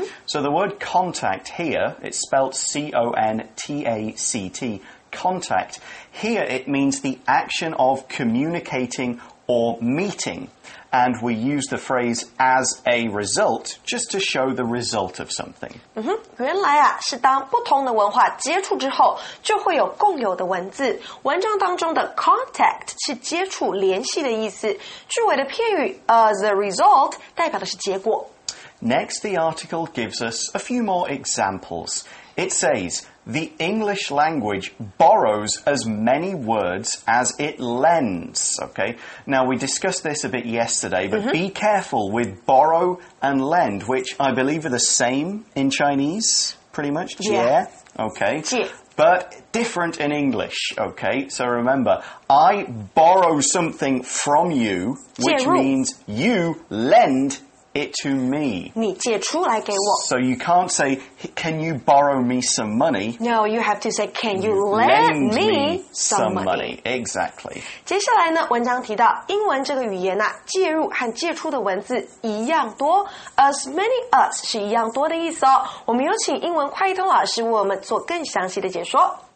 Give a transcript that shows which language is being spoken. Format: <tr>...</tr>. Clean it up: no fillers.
<en>So the word contact here, it's spelled C-O-N-T-A-C-T, contact. Here it means the action of communicating or meeting. And we use the phrase as a result just to show the result of something.</en> <zh>原来啊，是当不同的文化接触之后，就会有共有的文字。文章当中的 contact 是接触、联系的意思。句尾的片语</zh> <en>as a result</en> <zh>代表的是结果。</zh> <en>Next, the article gives us a few more examples. It says, the English language borrows as many words as it lends. Okay. Now, we discussed this a bit yesterday, but be careful with borrow and lend, which I believe are the same in Chinese, pretty much. Yeah. Okay. Yeah. but different in English, okay? So remember, I borrow something from you, which means you lend it to me.</en> <zh>你借出来给我。</zh> <en>So you can't say, can you borrow me some money? No, you have to say, can you lend me some money? Exactly.</en> <zh>接下来呢，文章提到英文这个语言啊，借入和借出的文字一样多。</zh> <en>As many as</en> <zh>是一样多的意思哦。我们有请英文快译通老师为我们做更详细的解说。</zh>